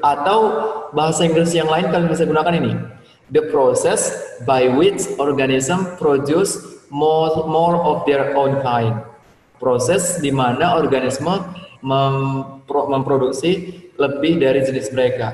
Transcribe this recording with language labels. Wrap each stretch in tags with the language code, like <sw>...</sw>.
<id>Atau bahasa Inggris yang lain kalian bisa gunakan ini.</id> <en>The process by which organism produce more of their own kind.</en> <id>Proses di mana organisme memproduksi lebih dari jenis mereka.</id>